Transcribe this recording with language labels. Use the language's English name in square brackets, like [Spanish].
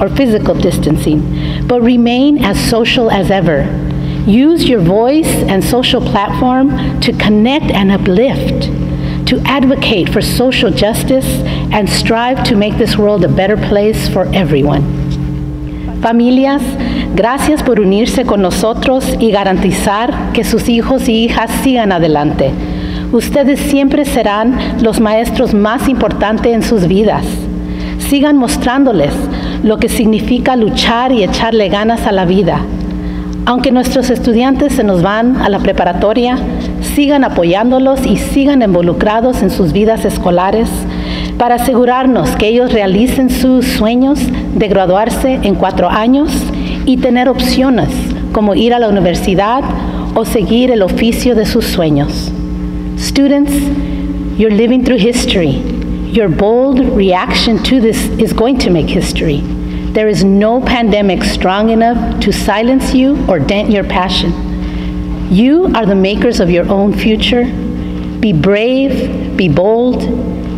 [English] or physical distancing, but remain as social as ever. Use your voice and social platform to connect and uplift, to advocate for social justice, and strive to make this world a better place for everyone. [Spanish] Familias, gracias por unirse con nosotros y garantizar que sus hijos y hijas sigan adelante. Ustedes siempre serán los maestros más importantes en sus vidas. Sigan mostrándoles lo que significa luchar y echarle ganas a la vida. Aunque nuestros estudiantes se nos van a la preparatoria, sigan apoyándolos y sigan involucrados en sus vidas escolares para asegurarnos que ellos realicen sus sueños de graduarse en 4 años y tener opciones como ir a la universidad o seguir el oficio de sus sueños. [English] Students, you're living through history. Your bold reaction to this is going to make history. There is no pandemic strong enough to silence you or dent your passion. You are the makers of your own future. Be brave, be bold.